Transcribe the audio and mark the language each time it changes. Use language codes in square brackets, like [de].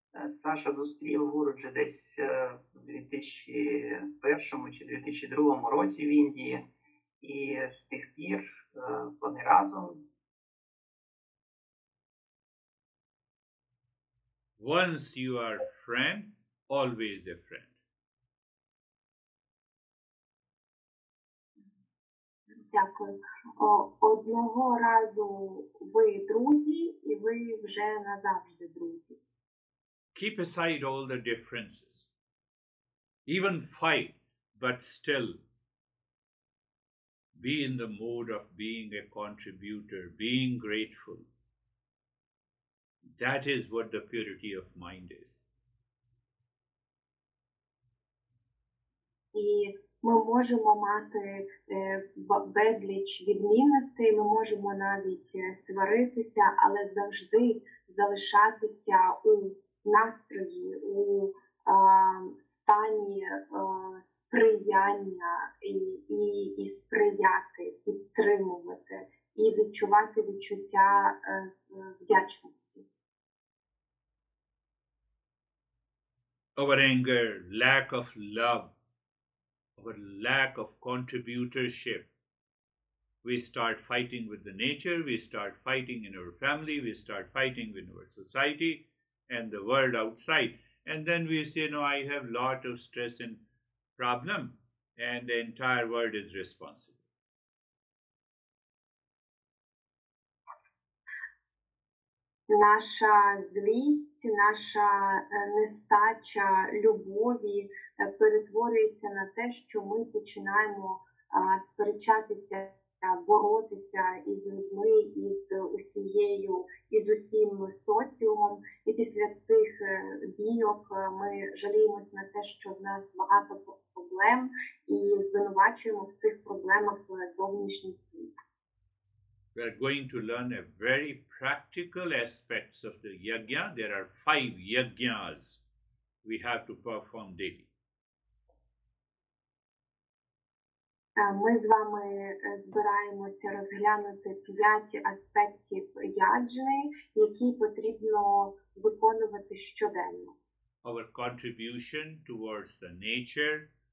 [uk] Саша зустрів Гуруджі десь у 2001 чи 2002 році в Індії, і з тих пір вони разом. [en] Once you are friend, always a friend. [uk] Дякую. Одного разу ви друзі, і ви вже назавжди друзі. [en] Keep aside all the differences, even fight, but still be in the mode of being a contributor, being grateful. That is what the purity of mind is. [uk] І ми можемо мати безліч відмінностей, ми можемо навіть сваритися, але завжди залишатися у настрої, у стані сприяння і сприяти, підтримувати і відчувати відчуття вдячності. [en] Our anger, lack of love, our lack of contributorship. We start fighting with the nature, we start fighting in our family, we start fighting in our society and the world outside. And then we say, no, I have a lot of stress and problem, and the entire world is responsible. [uk] Наша злість, наша нестача любові перетворюється на те, що ми починаємо сперечатися, боротися із людьми, із усією, із усім соціумом. І після цих бійок ми жаліємось на те, що в нас багато проблем, і звинувачуємо в цих проблемах зовнішній світ. [en] We are going to learn a very practical aspects of the yajna. There are 5 yajnas we have to perform daily. [uk] Ми з вами збираємося розглянути 5 аспектів яджни, які потрібно виконувати щоденно. [en] Our contribution towards the nature.